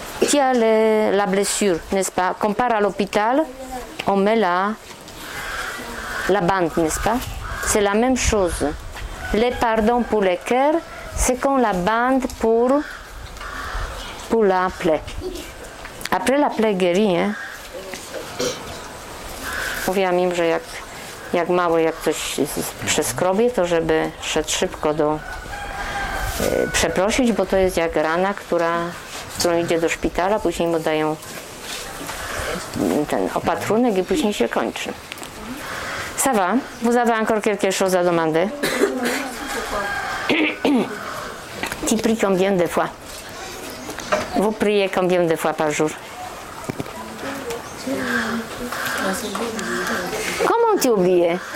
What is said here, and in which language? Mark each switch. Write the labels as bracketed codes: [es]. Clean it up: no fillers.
[fr] Tu as la blessure, n'est-ce pas? Quand on part à l'hôpital, on met la bande, n'est-ce pas? C'est la même chose. Le pardon pour le cœur, c'est comme la bande pour la plaie. Après, la plaie guérit. Hein? [pl] Mówiłam im, że jak mało, jak ktoś przeskrobie, to żeby szedł szybko do przeprosić, bo to jest jak rana, którą idzie do szpitala, później mu dają ten opatrunek i później się kończy. [fr] Ça va? Vous avez encore quelque chose à demander? Tu pries combien de fois? Vous priez combien de fois par jour? Comment tu oublies?